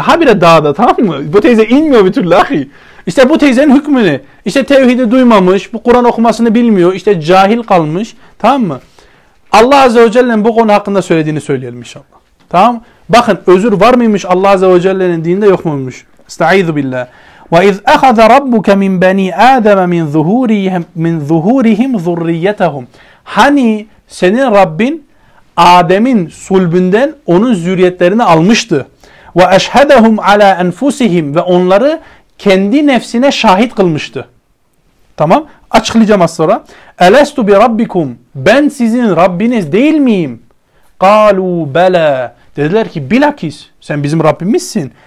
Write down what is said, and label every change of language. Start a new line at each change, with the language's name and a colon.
Turkish: Habire dağda, tamam mı? Bu teyze inmiyor bir türlü ahi. İşte bu teyzenin hükmünü. İşte tevhidi duymamış. Bu Kur'an okumasını bilmiyor. İşte cahil kalmış. Tamam mı? Allah Azze ve Celle'nin bu konu hakkında söylediğini söyleyelim inşallah. Tamam? Bakın özür var mıymış Allah Azze ve Celle'nin dininde, yok muymuş? Estaizu billah.
Arabic: وَاِذْ اَخَذَ رَبُّكَ مِنْ بَن۪ي آدَمَ مِنْ ذُهُورِهِمْ ذُرِّيَّتَهُمْ
Turkish: Hani senin Rabbin Adem'in sulbünden onun zürriyetlerini almıştı.
Arabic: وَاَشْهَدَهُمْ عَلَى اَنْفُسِهِمْ
Turkish: Ve onları kendi nefsine şahit kılmıştı. Tamam? Açıklayacağım az sonra.
Arabic: اَلَسْتُ بِرَبِّكُمْ
Turkish: Ben sizin Rabbiniz değil miyim?
Arabic: قَالُوا بَلَى
Turkish: Dediler ki bilakis sen bizim Rabbimizsin.